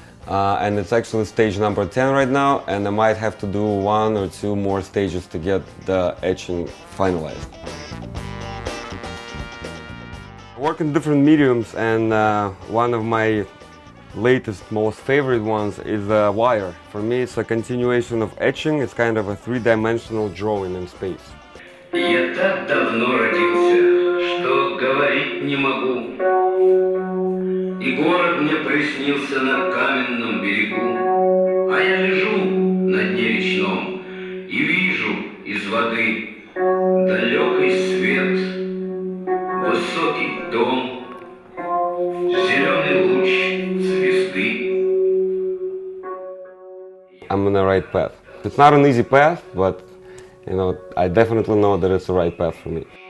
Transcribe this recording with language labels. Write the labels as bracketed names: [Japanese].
[English] And it's actually stage number 10 right now, and I might have to do one or two more stages to get the etching finalized. I work in different mediums, and one of my latest, most favorite ones is wire. For me, it's a continuation of etching. It's kind of a three-dimensional drawing in space. [Russian] Я так давно родился, что говорить не могу. И город мне приснился на каменном берегу. А я лежу на дне речном и вижу из воды далекий свет, высокий дом, зеленый луч звезды. [English] I'm on the right path. It's not an easy path, but you know, I definitely know that it's the right path for me.